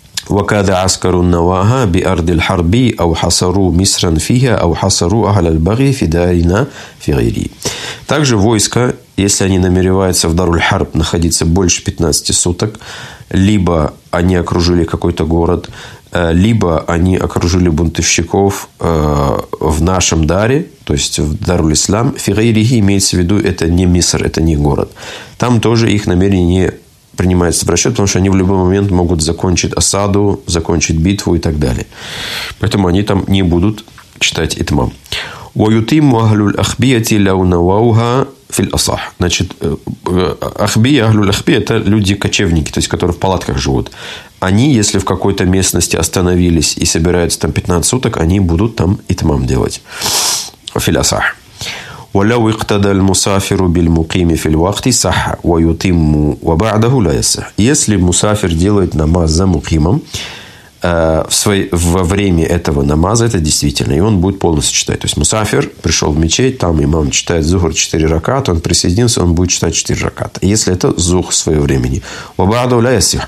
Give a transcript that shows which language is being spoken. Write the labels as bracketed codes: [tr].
[ar] وكذا عسكر النواها بأرض الحرب أو حصروا مصرا فيها أو حصروا أهل البغي في دارنا في غيري. [ru] Также войска, если они намереваются в Дар-уль-Харб находиться больше 15 суток, либо они окружили какой-то город, либо они окружили бунтовщиков в нашем даре, то есть в Дар-уль-Ислам, [ar] في غيري, [ru] имеется в виду, это не Миср, это не город. Там тоже их намерение не принимается в расчет, потому что они в любой момент могут закончить осаду, закончить битву и так далее. Поэтому они там не будут читать итмам. [ar] وَيُتِمُ أَهْلُ الْأَخْبِيَةِ لَوْ نَوَوْهَا فِي الْأَصَحِ. [ru] Значит, [ar] أَخْبِيَ أَهْلُ الْأَخْبِيَةِ [ru] – это люди-кочевники, то есть, которые в палатках живут. Они, если в какой-то местности остановились и собираются там 15 суток, они будут там итмам делать. [ar] فِي الْأَصَحِ. ولو اقتدى المسافر بالمقيم في الوقت صح ويتم وبعده لا يصح. [ru] Если мусафир делает намаз за мукимом во время этого намаза, это действительно, и он будет полностью читать. То есть мусафир пришел в мечеть, там имам читает зухр 4 раката, он присоединился, он будет читать 4 раката. Если это зух в свое времени. [ar] وبعده لا يصح.